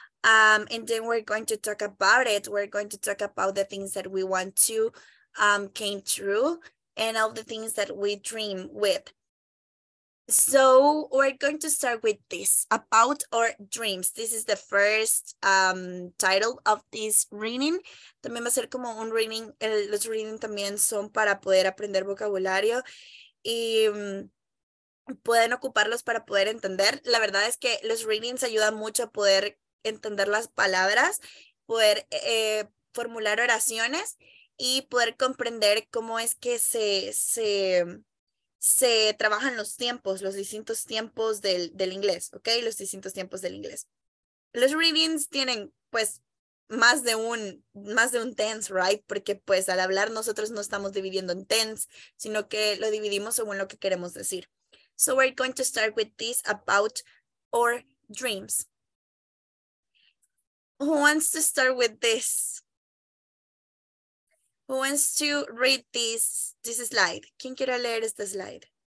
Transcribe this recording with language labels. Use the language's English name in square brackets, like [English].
[English] And then we're going to talk about it. We're going to talk about the things that we want to came true and all the things that we dream with. So we're going to start with this, about our dreams. This is the first title of this reading. [Spanish] También va a ser como un reading, los reading también son para poder aprender vocabulario y pueden ocuparlos para poder entender. La verdad es que los readings ayudan mucho a poder entender las palabras, poder formular oraciones y poder comprender cómo es que se trabajan los tiempos, los distintos tiempos del inglés, ¿ok? Los distintos tiempos del inglés. Los readings tienen, pues, más de un tense, right? Porque, pues, al hablar nosotros no estamos dividiendo en tense, sino que lo dividimos según lo que queremos decir. [English] So we're going to start with this about our dreams. Who wants to start with this? Who wants to read this slide? [Spanish] ¿Quién quiere leer este slide?